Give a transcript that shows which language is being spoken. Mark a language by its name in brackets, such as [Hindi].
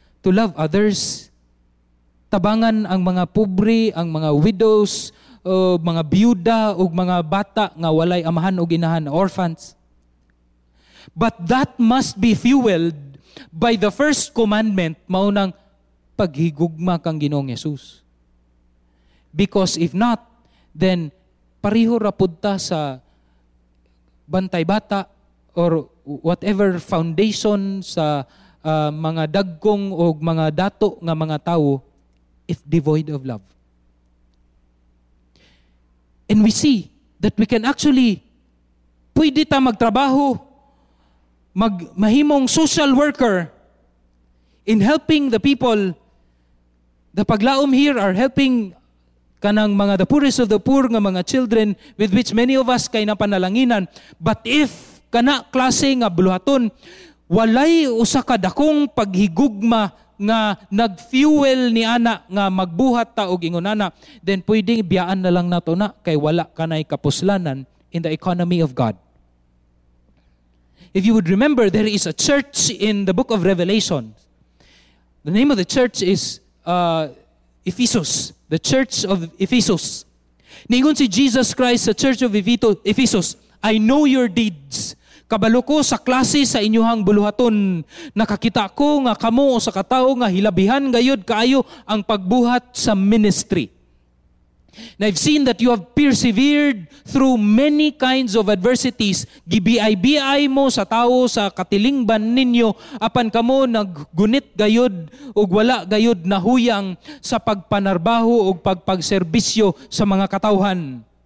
[English] To love others, [Cebuano] tabangan ang mga pobre, ang mga widows, mga biyuda, o mga bata nga walay amahan o ginahan, orphans. [English] But that must be fueled by the first commandment, [Cebuano] maunang paghigugma kang Ginoong Jesus. [English] Because if not, then [Cebuano] pareho rapod ta sa bantay bata [English] or whatever foundation [Cebuano] sa mga dagkong o mga dato nga mga tao [English] if devoid of love. And we see that we can actually [Cebuano] pwede ta magtrabaho mahimong [English] social worker in helping the people. The paglaom here are helping [Cebuano] kanang mga [English] the poorest of the poor [Cebuano] nga mga [English] children with which many of us [Cebuano] kay napanalanginan. But if kana klase nga buluhaton, walay usa ka dakong paghigugma nga nag-fuel ni ana nga magbuhat ta og ingon ana, then pwedeng biyaan na lang nato na kay wala kanay kapuslanan [English] in the economy of God. If you would remember, there is a church in the book of Revelation. The name of the church is Ephesus, the Church of Ephesus. [Cebuano] Ningon si Jesus Christ sa Church of Ephesus, [English] I know your deeds. [Cebuano] Kabalo ko sa klase sa inyuhang buluhaton. Nakakita ko nga kamo o sa katao nga hilabihan gayud kaayo ang pagbuhat sa ministry. [English] Now I've seen that you have persevered through many kinds of adversities. [Cebuano] Gibiay-biay mo sa tao sa katilingban ninyo apan kamo naggunit gayud o wala gayud nahuyang sa pagpanarbaho o pagpagserbisyo sa mga katauhan.